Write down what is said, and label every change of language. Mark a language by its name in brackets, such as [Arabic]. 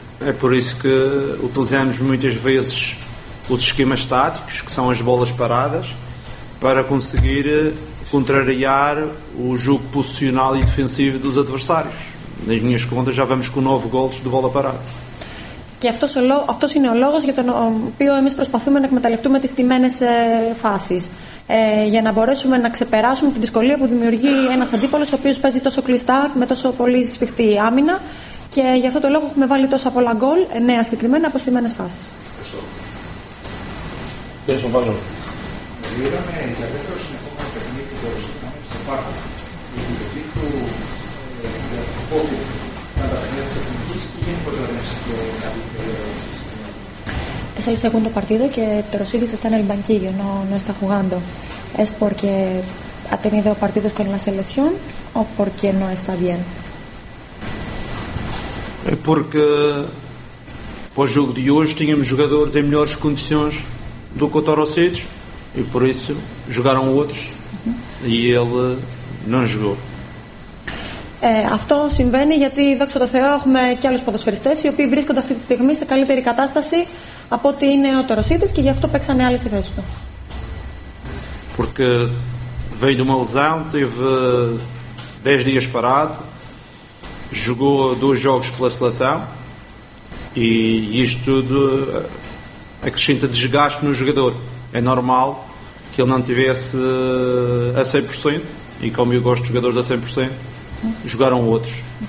[Portuguese] É por isso que utilizamos muitas vezes os esquemas táticos, que são as bolas paradas, para conseguir contrariar o jogo posicional e defensivo dos adversários. Nas minhas contas já vamos com 9 gols de bola parada. [Greek] Και αυτός είναι ο λόγος για τον οποίο εμείς προσπαθούμε να εκμεταλλευτούμε τις στημένες φάσεις. Για να μπορέσουμε να ξεπεράσουμε τη δυσκολία που δημιουργεί ένας αντίπαλος ο οποίος παίζει τόσο κλειστά, με τόσο πολύ σφιχτή άμυνα. Και γι' αυτό το λόγο έχουμε βάλει τόσο πολλά γκολ, 9 συγκεκριμένα, από στημένες φάσεις. Ευχαριστώ. Ευχαριστώ. [Spanish] Es el segundo partido que Torosidis está en el banquillo, no está jugando. ¿Es porque ha tenido partidos con la selección o porque no está bien? Es porque para el juego de hoy teníamos jugadores en mejores condiciones do que Torosidis y por eso jugaron otros y él no jugó. [Greek] Αυτό συμβαίνει γιατί, δόξα τω Θεώ, έχουμε και άλλους ποδοσφαιριστές οι οποίοι βρίσκονται αυτή τη στιγμή σε καλύτερη κατάσταση από ότι είναι ο Τωροσίτης και γι' αυτό παίξανε άλλες στη θέση του. [Portuguese] Porque veio de uma lesão, teve 10 dias parado, jogou 2 jogos pela seleção e isto tudo acrescenta desgaste no jogador. É normal que ele não tivesse a 100% e como eu gosto de jogadores a 100%, jogaram outros.